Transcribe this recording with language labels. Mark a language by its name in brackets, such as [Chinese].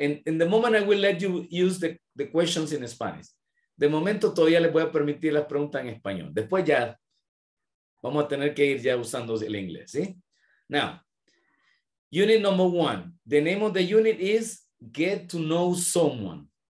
[English] In the moment I will let you use the questions in Spanish. [Spanish] De momento todavía les voy a permitir las preguntas en español. Después ya vamos a tener que ir ya usando el inglés, ¿sí? [English] Now, unit number one. The name of the unit is Get to Know Someone.